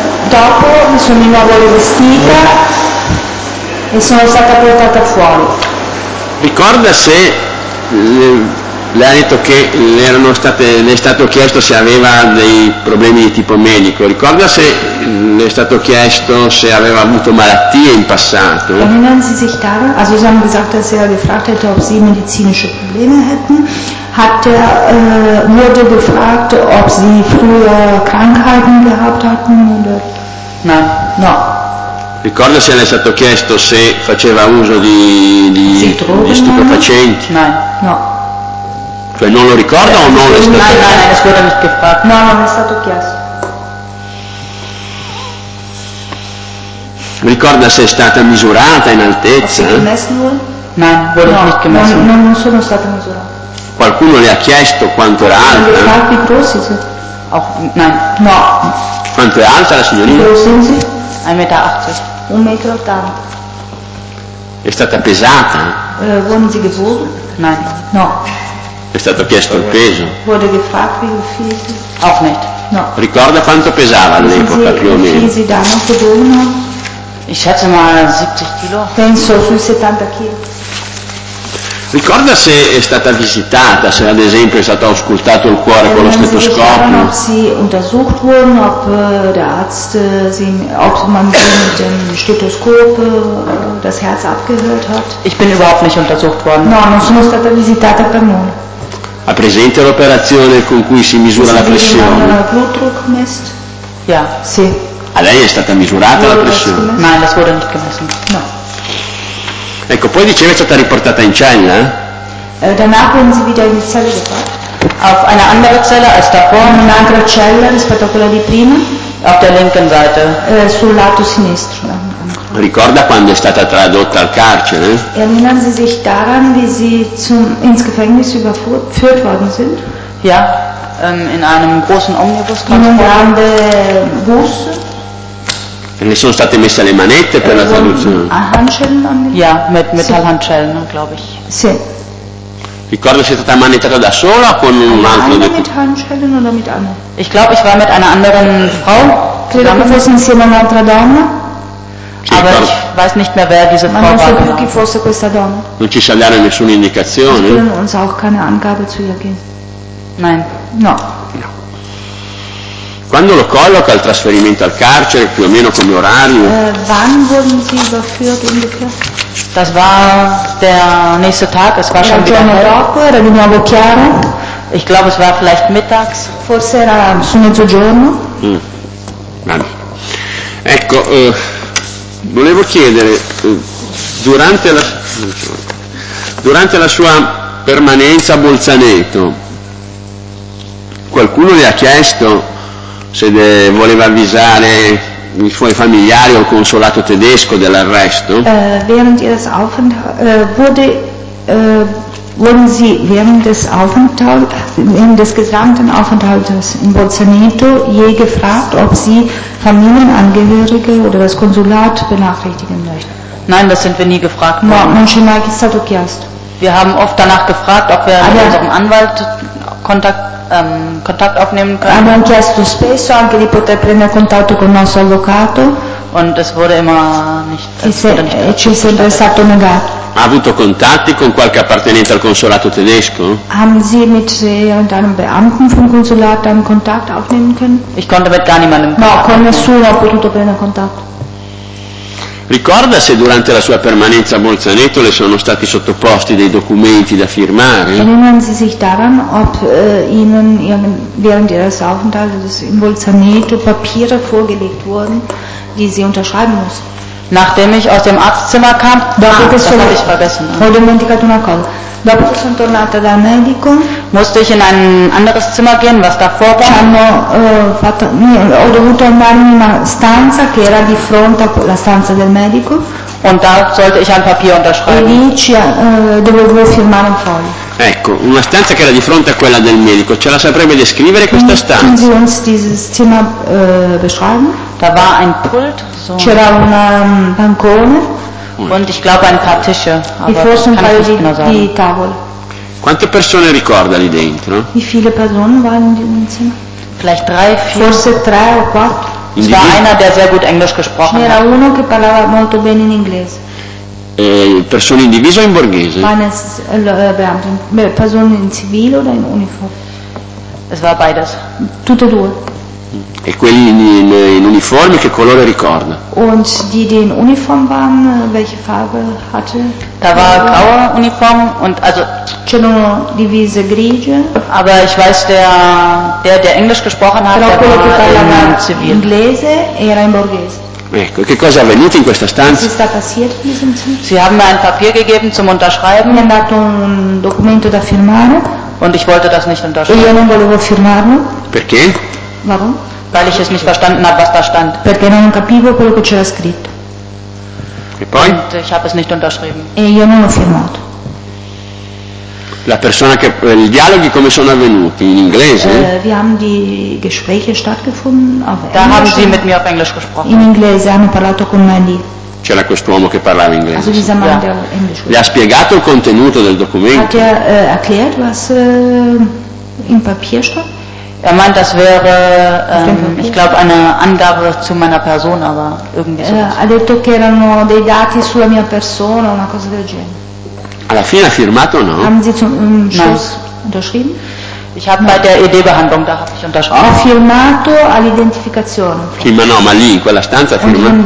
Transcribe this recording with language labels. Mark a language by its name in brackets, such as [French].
[Italian] Dopo mi sono di nuovo rivestita e sono stata portata fuori. Ricorda se le ha detto che le è stato chiesto se aveva dei problemi di tipo medico. Ricorda se le è stato chiesto se aveva avuto malattie in passato. [German] Erinnern Sie sich daran? Also sie haben gesagt, dass er gefragt hätte, ob sie medizinische Probleme hätten. Hat er wurde gefragt, ob sie früher Krankheiten gehabt hatten oder? [Italian] No, no. Ricorda se le è stato chiesto se faceva uso di stupefacenti? [German] Nein, no. [Italian] Cioè non lo ricorda o non le è stato chiesto? [German] Nein, nein, es wurde nicht gefragt. [Italian] No, non è stato chiesto. Ricorda se è stata misurata in altezza? [German] Ho gemessen wohl? Nein, wurde nicht gemessen. [Italian] No, non sono stata misurata. Qualcuno le ha chiesto quanto era alta? Non le ha chiesto i grossi, sì. [German] Nein, [Italian] no. Quanto è alta la signorina? Grossi, sì. 1,80 m. 1,80 m. È stata pesata? [German] Wurden Sie gewogen? Nein. [Italian] No. È stato chiesto il peso? [German] Wurde gefragt, wie viel? Auch nicht. [Italian] No. Ricorda quanto pesava all'epoca, più o meno? [German] Sie da noch gewogen? Ich schätze mal 70 kg. [Italian] Penso sui 70 kg. Ricorda se è stata visitata, se ad esempio è stato auscultato il cuore con lo stetoscopio. [German] Ob sie untersucht wurden, ob der Arzt sie, ob man sie mit dem Stethoskop das Herz abgehört hat. Ich bin überhaupt nicht untersucht worden. [Italian] No, non sono stata visitata per nulla. Ha presente l'operazione con cui si misura la pressione? [German] Sie haben den Blutdruck gemessen? Ja. [Italian] Sì. A lei è stata misurata la pressione? [German] Nein, das wurde nicht gemessen. [Italian] No. Ecco, poi diceva è stata riportata in cella? [German] Danach wurden sie wieder in die Zelle gebracht. Auf eine andere Zelle als davor. [Italian] In un'altra cella rispetto a quella di prima. [German] Auf der linken Seite. [Italian] Sul lato sinistro. Ricorda quando è stata tradotta al carcere? [German] Erinnern Sie sich daran, wie sie ins Gefängnis überführt worden sind? Ja, in einem großen Omnibus. [Italian] In un grande bus. Le sono state messe le manette per la traduzione? [German] Handschellen an mich? Ja, mit Metallhandschellen, glaube ich. [Italian] Sì. Ricorda se è stata manettata da sola o con un altro? [German] Mit Handschellen oder mit anderen? Ich glaube, ich war mit einer anderen Frau. [Italian] Credo che fosse insieme a un'altra donna. [German] Aber ich weiß nicht mehr, wer diese Frau war. [Italian] Non so più chi fosse questa donna. Non ci sa dare nessuna indicazione? [German] Ich kann uns auch keine Angabe zu ihr geben. Nein. [Italian] No. Quando lo colloca il trasferimento al carcere, più o meno come orario? [German] Wann wurden Sie überführt ungefähr? Das war der nächste Tag, es war schon wieder hell. [Italian] Dopo, era di nuovo chiaro. [German] Ich glaube, es war vielleicht mittags. [Italian] Forse era su mezzogiorno. Ecco, volevo chiedere, durante la sua permanenza a Bolzaneto, qualcuno le ha chiesto se voleva avvisare i suoi familiari o il consolato tedesco dell'arresto? [German] Während ihres wurden Sie während des gesamten Aufenthaltes in Bolzaneto je gefragt, ob Sie Familienangehörige oder das Konsulat benachrichtigen möchten? Nein, das sind wir nie gefragt worden. [Italian] Non ci è mai stato chiesto. [German] Wir haben oft danach gefragt, ob wir mit unserem Anwalt Kontakt aufnehmen können. [Italian] Abbiamo chiesto spesso anche di poter prendere contatto con il nostro avvocato. [German] Und es wurde immer nicht, [Italian] ci è sempre stato negato. Ha avuto contatti con qualche appartenente al consolato tedesco? [German] Haben Sie mit irgendeinem Beamten vom Konsulat dann Kontakt aufnehmen können? Ich konnte mit gar niemandem. [Italian] No, con nessuno ho potuto prendere contatto. Ricorda se durante la sua permanenza a Bolzaneto le sono stati sottoposti dei documenti da firmare? [German] Erinnern Sie sich daran, ob Ihnen während Ihres Aufenthalts in Bolzaneto Papiere vorgelegt wurden, die Sie unterschreiben mussten? Nachdem ich aus dem Arztzimmer kam, habe ich vergessen. [Italian] Ho dimenticato una cosa. Dopo che sono tornata dal medico, [German] musste ich in ein anderes Zimmer gehen, was davor war. [Italian] Ho dovuto andare in una stanza che era di fronte alla stanza del medico. [German] Und da sollte ich ein Papier unterschreiben. [Italian] E lì dovevo firmare un foglio. Ecco, una stanza che era di fronte a quella del medico. Ce la saprebbe descrivere questa stanza? [German] Können Sie uns dieses Zimmer beschreiben? Da war ein Pult. [Italian] C'era un bancone. [German] Und ich glaube ein paar Tische, aber kann ich nicht genau sagen. Die Tavole. [Italian] Quante persone ricorda lì dentro? [German] Wie viele Personen waren in diesem Zimmer? Vielleicht drei, vier. [Italian] Forse tre o quattro. [German] Es war einer, der sehr gut Englisch gesprochen [Italian] c'era [German] hat. [Italian] C'era uno che parlava molto bene in inglese. Persone in divisa o in borghese? Persone in civile o in uniform? [German] Es war beides. [Italian] Tutte e due. E quelli in uniforme che colore ricorda? [German] Und die, die in Uniform waren, welche Farbe hatte? Da war grauer Uniform und also [Italian] c'erano divise grigie. [German] Aber ich weiß, der Englisch gesprochen hat, [Italian] però [German] der war [Italian] in civile. Inglese era in borghese. Ecco, che cosa è avvenuto in questa stanza? [German] Was ist da passiert in diesem Zimmer? Sie haben mir ein Papier gegeben zum Unterschreiben. [Italian] Mi hanno dato un documento da firmare. [German] Und ich wollte das nicht unterschreiben. [Italian] Io non volevo firmarlo. Perché? [German] Warum? Weil ich es nicht verstanden habe, was da stand. [Italian] Perché non capivo quello che c'era scritto. E poi? [German] Und ich habe es nicht unterschrieben. [Italian] E io non ho firmato. La persona che i dialoghi come sono avvenuti in inglese? [German] Wir haben die Gespräche stattgefunden auf Englisch. Da haben sie mit mir auf Englisch gesprochen. [Italian] In inglese hanno parlato con me lì. C'era quest'uomo che parlava inglese. [German] Also dieser Mann, der Englisch [Italian] spricht. Le ha spiegato il contenuto del documento? [German] Hat er erklärt, was im Papier stand? Er meint, das wäre, ich glaube, eine Angabe zu meiner Person, aber irgendwie so. [Italian] Ha detto che erano dei dati sulla mia persona, una cosa del genere. Alla fine ha firmato, no? [German] Haben Sie zum Schluss unterschrieben? Ich habe bei der ED-Behandlung, da habe ich unterschrieben. [Italian] Ha firmato all'identificazione. Sì, ma no, ma lì in quella stanza firmato.